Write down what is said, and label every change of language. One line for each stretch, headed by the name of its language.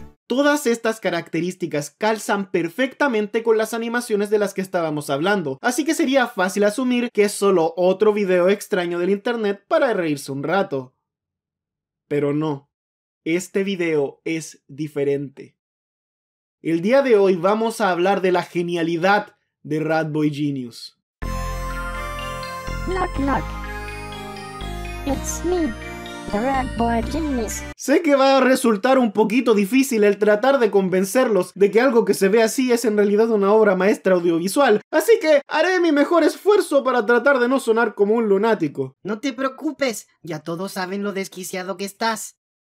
Spanish: Todas estas características calzan perfectamente con las animaciones de las que estábamos hablando, así que sería fácil asumir que es solo otro video extraño del internet para reírse un rato. Pero no, este video es diferente. El día de hoy vamos a hablar de la genialidad de Rat Boy Genius.
English: Knock knock. It's me, the Rat Boy Genius.
Spanish: Sé que va a resultar un poquito difícil el tratar de convencerlos de que algo que se ve así es en realidad una obra maestra audiovisual, así que haré mi mejor esfuerzo para tratar de no sonar como un lunático. No te preocupes, ya todos saben lo desquiciado que estás.